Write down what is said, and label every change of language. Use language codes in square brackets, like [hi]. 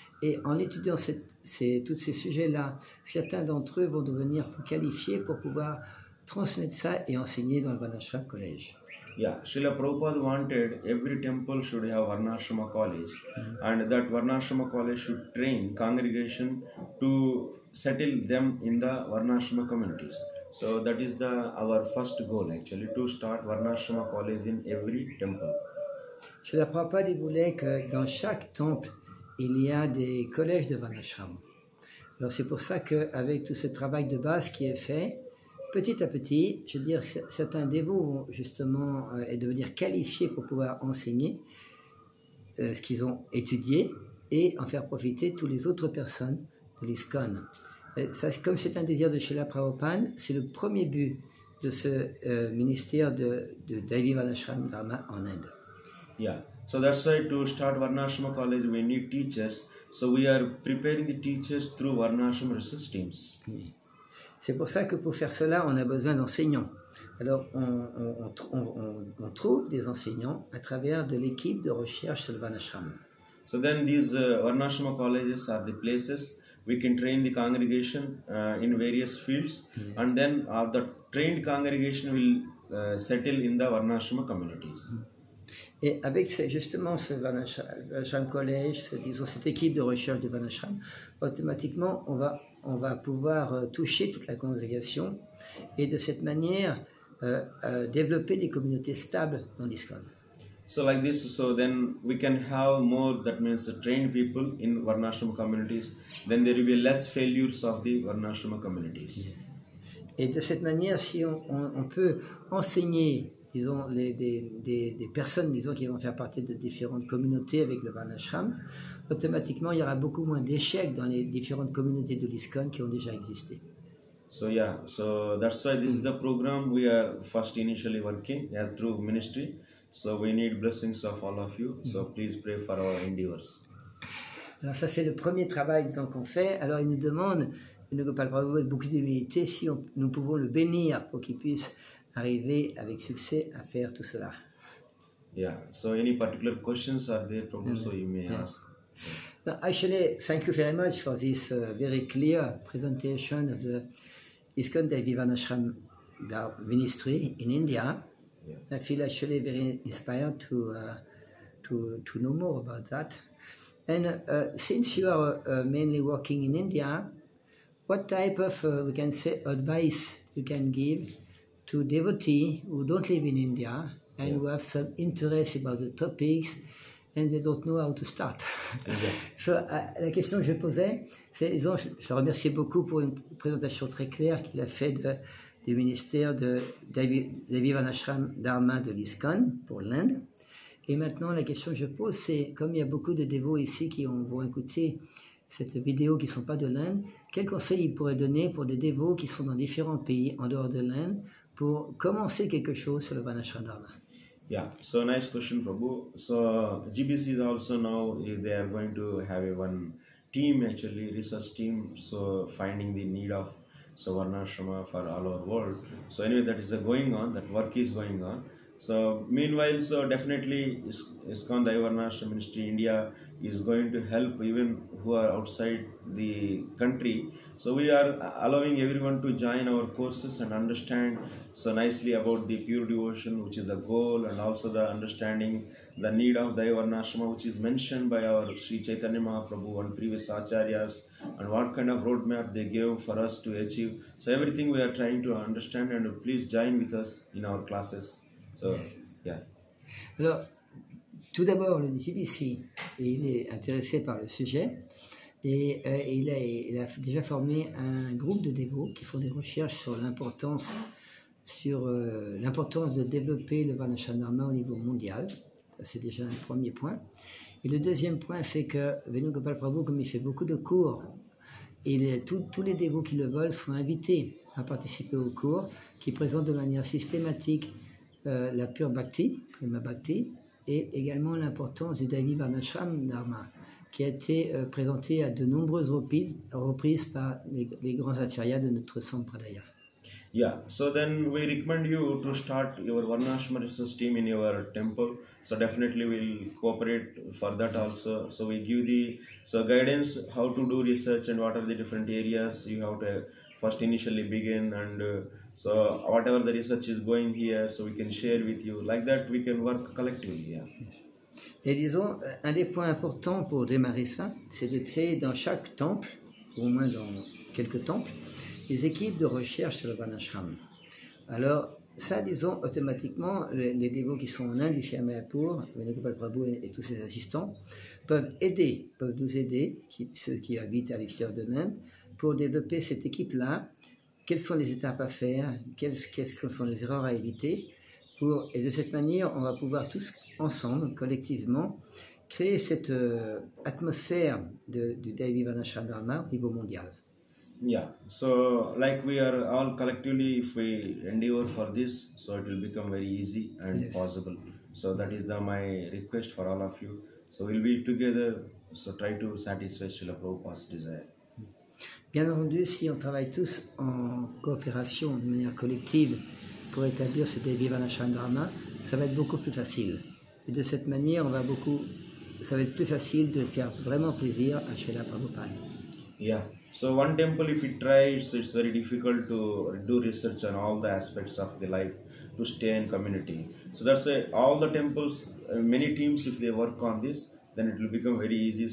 [fr] Et en étudiant tous ces sujets-là, certains d'entre eux vont devenir plus qualifiés pour pouvoir transmettre ça et enseigner dans le Varnashrama College. [en] Yeah, Srila Prabhupada wanted every temple should have Varnashrama College, and that Varnashrama College should train congregation to settle them in the Varnashrama communities. So that is our first goal actually, to start Varnashrama College in every temple. [fr] Srila Prabhupada voulait que dans chaque temple, il y a des collèges de Varnashrama. Alors c'est pour ça qu'avec tout ce travail de base qui est fait, petit à petit, je veux dire, certains dévots vont justement devenir qualifiés pour pouvoir enseigner ce qu'ils ont étudié et en faire profiter toutes les autres personnes de l'ISKCON. Comme c'est un désir de Srila Prabhupada, c'est le premier but de ce ministère de Devi Varnashrama Dharma en Inde. [en] Yeah. So that's why to start Varnashrama College, we need teachers. So we are preparing the teachers through Varnashrama research teams. [fr] C'est pour ça que pour faire cela, on a besoin d'enseignants. Alors on trouve des enseignants à travers de l'équipe de recherche sur le Varnashrama. [en] So then these Varnashrama colleges are the places we can train the congregation in various fields. Yes. And then the trained congregation will settle in the Varnashrama communities. [fr] Et avec justement ce Varnashrama College, disons cette équipe de recherche de Varnashrama, automatiquement on va pouvoir toucher toute la congrégation et de cette manière développer des communautés stables dans l'ISKCON. [en] So like this, so then we can have more, that means trained people in Varnashrama communities, then there will be less failures of the Varnashrama communities. [fr] Et de cette manière, si on peut enseigner, disons, des personnes, disons, qui vont faire partie de différentes communautés avec le Varnashrama, automatiquement, il y aura beaucoup moins d'échecs dans les différentes communautés de l'ISKCON qui ont déjà existé. [en] So yeah, so that's why this is the program we are first initially working through ministry. So we need blessings of all of you. So please pray for our endeavors. [fr] Alors ça, c'est le premier travail, disons, qu'on fait. Alors il nous demande, le Gopal Prabhu, avec beaucoup d'humilité, si nous pouvons le bénir pour qu'il puisse arriver avec succès à faire tout cela. [en] Yeah, so any particular questions are there, Prabhu, so you may ask. No, actually, thank you very much for this very clear presentation of the ISKCON Devi Varnashrama ministry in India. Yeah. I feel actually very inspired to know more about that. And since you are mainly working in India, what type of we can say advice you can give to devotees who don't live in India and who have some interest about the topics and they don't know how to start. [fr] So, la question que je posais, c'est, disons, je remercie beaucoup pour une présentation très claire qu'il a faite du ministère de David Van Ashram Dharma de l'ISKCON pour l'Inde. Et maintenant, la question que je pose, c'est, comme il y a beaucoup de dévots ici qui vont écouter cette vidéo qui ne sont pas de l'Inde, quels conseils il pourrait donner pour des dévots qui sont dans différents pays en dehors de l'Inde pour commencer quelque chose sur le Van Ashram Dharma? [en] Yeah, so nice question, Prabhu. So GBC is also now, they are going to have a one team actually, research team, so finding the need of Savarnashrama for all our world. So anyway, that is going on, that work is going on. So meanwhile, so definitely ISKCON Divarnashram Ministry India is going to help even who are outside the country. So we are allowing everyone to join our courses and understand so nicely about the pure devotion, which is the goal, and also the understanding the need of Divarnashrama, which is mentioned by our Sri Chaitanya Mahaprabhu and previous acharyas, and what kind of roadmap they gave for us to achieve. So everything we are trying to understand, and please join with us in our classes. So, yeah. [fr] Alors, tout d'abord, le GBC, il est intéressé par le sujet et il a déjà formé un groupe de dévots qui font des recherches sur l'importance de développer le Van Ashram Dharma au niveau mondial. Ça, c'est déjà un premier point. Et le deuxième point, c'est que Venugopal Prabhu, comme il fait beaucoup de cours, tous les dévots qui le veulent sont invités à participer aux cours qui présentent de manière systématique la pure bhakti, prima bhakti, et également l'importance du Devi Van Ashram Dharma, qui a été présenté à de nombreuses reprises par les grands acharyas de notre sampradaya. [en] Yeah, so then we recommend you to start your Varnashrama research team in your temple. So definitely we'll cooperate for that also. So we give the guidance how to do research and what are the different areas you have to first initially begin, and so whatever the research is going here, so we can share with you. Like that, we can work collectively. Yeah. [fr] Et disons, un des points importants pour démarrer ça, c'est de créer dans chaque temple, ou au moins dans quelques temples, des équipes de recherche sur le Van Ashram. Alors, ça, disons, automatiquement, les dévots qui sont en Inde, ici à Mayapur, Venugopal Prabhu et tous ses assistants, peuvent nous aider, ceux qui habitent à l'extérieur de l'Inde, pour développer cette équipe-là. Quelles sont les étapes à faire, quelles sont les erreurs à éviter, et de cette manière, on va pouvoir tous ensemble, collectivement, créer cette atmosphère du Devi Van Ashram Dharma au niveau mondial. [en] Yeah, so like we are all collectively, if we endeavor for this, so it will become very easy and yes, possible. So that is my request for all of you. So we'll be together, so try to satisfy Srila Prabhupada's desire. [fr] Bien entendu, si on travaille tous en coopération, de manière collective, pour établir ce Devi Van Ashram Dharma, ça va être beaucoup plus facile. Et de cette manière, ça va être plus facile de faire vraiment plaisir à Srila Prabhupada. [en] Yeah, so one temple, if it tries, it's very difficult to do research on all the aspects of the life to stay in community. So that's why all the temples, many teams, if they work on this, then it will become very easy.